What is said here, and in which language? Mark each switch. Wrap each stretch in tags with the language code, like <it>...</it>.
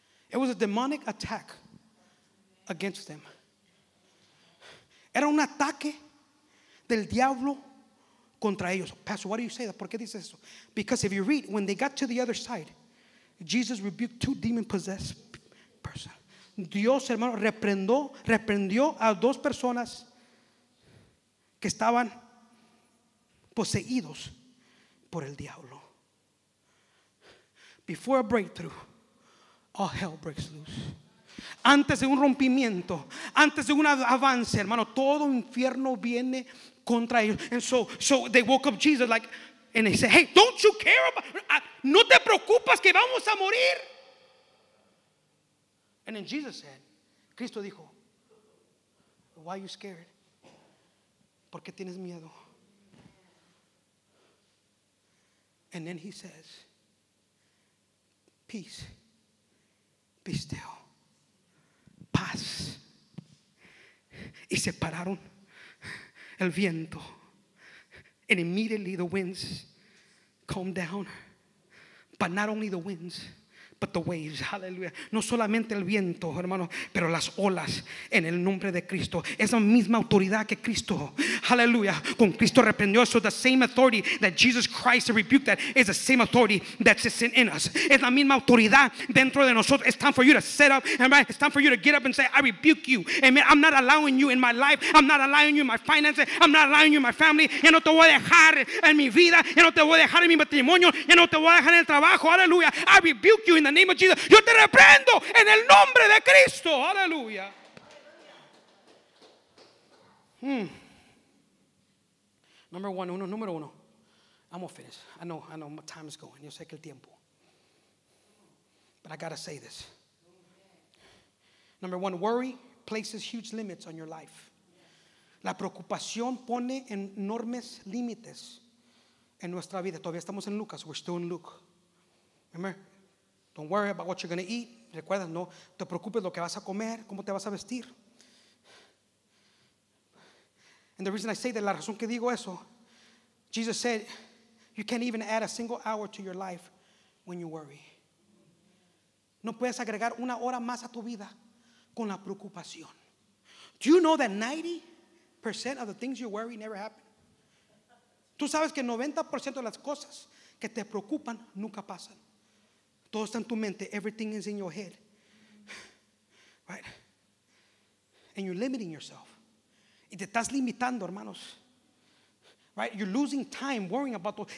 <en>It was a demonic attack against them.</en> <es>Era un ataque del diablo contra ellos.</es> <en>Pastor, why do you say that?</en> <es>¿Por qué dices eso?</es> <en>Because if you read, when they got to the other side, Jesus rebuked two demon-possessed persons.</en> <es>Dios, hermano, reprendió a dos personas que estaban poseídos por el diablo.</es> <en>Before a breakthrough, all hell breaks loose.</en> <es>Antes de un rompimiento, antes de un avance, hermano, todo infierno viene contra ellos.</es> <en>And so they woke up Jesus like, and they said, hey, don't you care about,</en> <es>no te preocupas que vamos a morir.</es> <en>And then Jesus said,</en> <es>Cristo dijo,</es> <en>why are you scared?</en> <es>¿Por qué tienes miedo?</es> <en>And then he says, peace, be still, paz.</en> <es>Y se pararon el viento.</es> <en>And immediately the winds calmed down. But not only the winds, but the waves. Hallelujah.</en> <es>No solamente el viento, hermano, pero las olas en el nombre de Cristo. Esa misma autoridad que Cristo, hallelujah, con Cristo reprendió.</es> <en>So the same authority that Jesus Christ rebuked that is the same authority that is in us.</en> <es>Es la misma autoridad dentro de nosotros.</es> <en>It's time for you to set up, amen. It's time for you to get up and say, I rebuke you, amen. I'm not allowing you in my life. I'm not allowing you in my finances. I'm not allowing you in my family.</en> <es>Ya no te voy a dejar en mi vida. Ya no te voy a dejar en mi matrimonio. Ya no te voy a dejar en el trabajo. Hallelujah.</es> <en>I rebuke you in the name of Jesus.</en> <es>Yo te reprendo en el nombre de Cristo. Aleluya. Número uno.</es> <en>I'm gonna finish. I know my time is going.</en> <es>Yo sé que el tiempo.</es> <en>But I gotta say this. Number one, worry places huge limits on your life.</en> <es>La preocupación pone enormes límites en nuestra vida. Todavía estamos en Lucas.</es> <en>We're still in Luke. Remember? Don't worry about what you're going to eat.</en> <es>Recuerda, no te preocupes lo que vas a comer, cómo te vas a vestir.</es> <en>And the reason I say that,</en> <es>la razón que digo eso,</es> <en>Jesus said, you can't even add a single hour to your life when you worry.</en> <es>No puedes agregar una hora más a tu vida con la preocupación.</es> <en>Do you know that 90% of the things you worry never happen?</en> <es>Tú sabes que 90% de las cosas que te preocupan nunca pasan. Todo está en tu mente.</es> <en>Everything is in your head. Right? And you're limiting yourself.</en> <es>Y te estás limitando, hermanos.</es> <en>Right? You're losing time worrying about those.</en>